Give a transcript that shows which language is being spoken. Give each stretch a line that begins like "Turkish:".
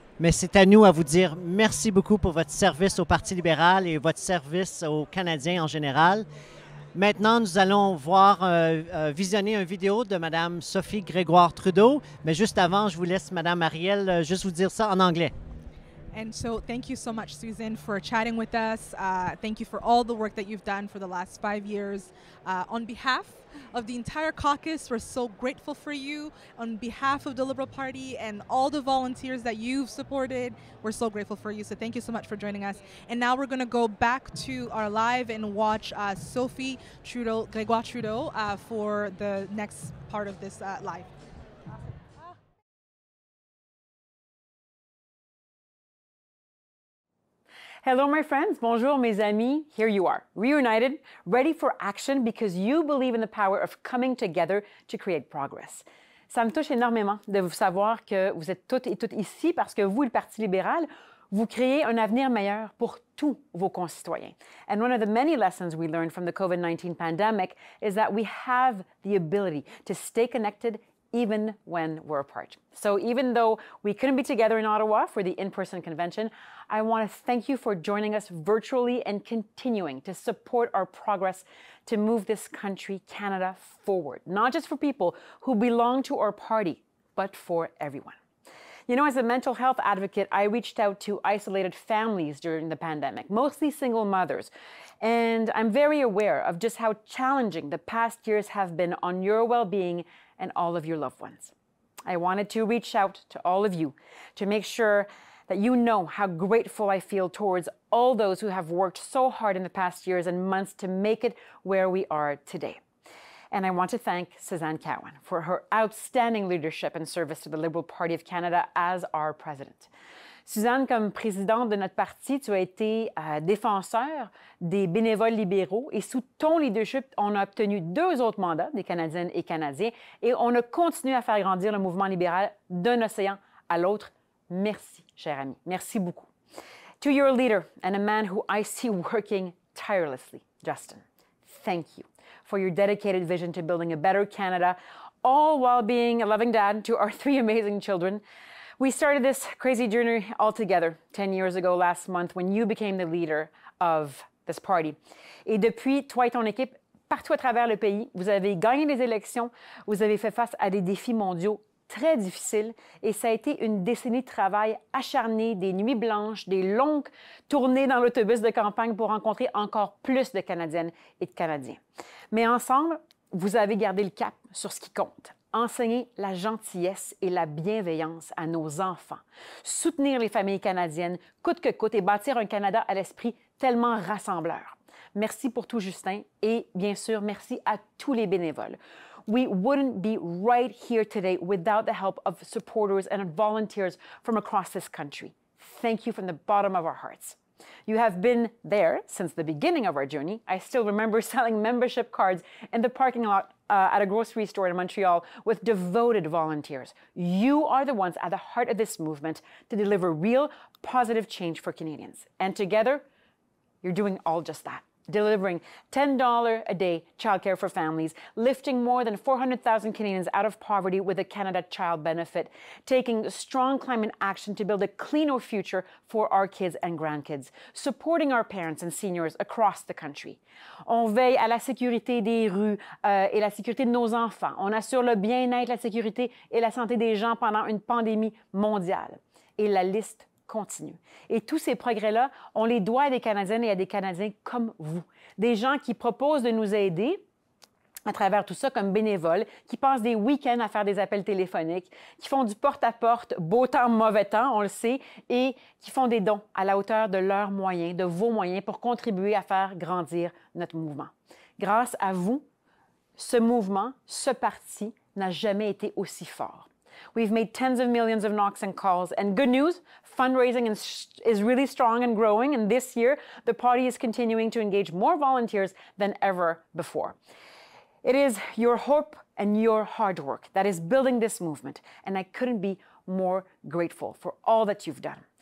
French: Mais c'est à nous à vous dire merci beaucoup pour votre service au Parti libéral et votre service aux Canadiens en général. Maintenant, nous allons voir visionner une vidéo de Mme Sophie Grégoire Trudeau. Mais juste avant, je vous laisse, Mme Ariel, juste vous dire ça en anglais.
English: And so thank you so much, Susan, for chatting with us. Thank you for all the work that you've done for the last 5 years. On behalf of the entire caucus, we're so grateful for you. On behalf of the Liberal Party and all the volunteers that you've supported, we're so grateful for you. So thank you so much for joining us. And now we're going to go back to our live and watch Sophie Trudeau, Grégoire Trudeau, for the next part of this live. Hello, my friends.
French: Bonjour, mes amis.
English: Here you are, reunited, ready for action because you believe in the power of coming together to create progress.
French: Ça me touche énormément de vous savoir que vous êtes toutes et tous ici parce que vous, le Parti libéral, vous créez un avenir meilleur pour tous vos concitoyens.
English: And one of the many lessons we learned from the COVID-19 pandemic is that we have the ability to stay connected even when we're apart. So even though we couldn't be together in Ottawa for the in-person convention, I want to thank you for joining us virtually and continuing to support our progress to move this country, Canada, forward, not just for people who belong to our party, but for everyone. You know, as a mental health advocate, I reached out to isolated families during the pandemic, mostly single mothers. And I'm very aware of just how challenging the past years have been on your well-being and all of your loved ones. I wanted to reach out to all of you to make sure that you know how grateful I feel towards all those who have worked so hard in the past years and months to make it where we are today. And I want to thank Suzanne Cowan for her outstanding leadership and service to the Liberal Party of Canada as our president.
French: Suzanne, comme présidente de notre parti, tu as été défenseur des bénévoles libéraux et sous ton leadership, on a obtenu 2 autres mandats des Canadiennes et Canadiens et on a continué à faire grandir le mouvement libéral d'un océan à l'autre. Merci, cher ami. Merci beaucoup.
English: To your leader and a man who I see working tirelessly, Justin, thank you for your dedicated vision to building a better Canada, all while being a loving dad to our 3 amazing children. We started this crazy journey all together 10 years ago last month when you became the leader of this party.
French: Et depuis, toi et ton équipe, partout à travers le pays, vous avez gagné les élections, vous avez fait face à des défis mondiaux très difficiles et ça a été une décennie de travail acharné, des nuits blanches, des longues tournées dans l'autobus de campagne pour rencontrer encore plus de Canadiennes et de Canadiens. Mais ensemble, vous avez gardé le cap sur ce qui compte. Enseigner la gentillesse et la bienveillance à nos enfants, soutenir les familles canadiennes coûte que coûte et bâtir un Canada à l'esprit tellement rassembleur. Merci pour tout, Justin, et bien sûr, merci à tous les bénévoles.
English: We wouldn't be right here today without the help of supporters and volunteers from across this country. Thank you from the bottom of our hearts. You have been there since the beginning of our journey. I still remember selling membership cards in the parking lot at a grocery store in Montreal with devoted volunteers. You are the ones at the heart of this movement to deliver real positive change for Canadians. And together, you're doing all just that. Delivering $10 a day childcare for families, lifting more than 400,000 Canadians out of poverty with a Canada Child Benefit, taking strong climate action to build a cleaner future for our kids and grandkids, supporting our parents and seniors across the country.
French: On veille à la sécurité des rues et la sécurité de nos enfants. On assure le bien-être, la sécurité et la santé des gens pendant une pandémie mondiale. Et la liste continue. Et tous ces progrès-là, on les doit à des Canadiennes et à des Canadiens comme vous. Des gens qui proposent de nous aider à travers tout ça comme bénévoles, qui passent des week-ends à faire des appels téléphoniques, qui font du porte-à-porte, beau temps, mauvais temps, on le sait, et qui font des dons à la hauteur de leurs moyens, de vos moyens, pour contribuer à faire grandir notre mouvement. Grâce à vous, ce mouvement, ce parti, n'a jamais été aussi fort.
English: We've made tens of millions of knocks and calls, and good news, fundraising is really strong and growing, and this year, the party is continuing to engage more volunteers than ever before. It is your hope and your hard work that is building this movement, and I couldn't be more grateful for all that you've done.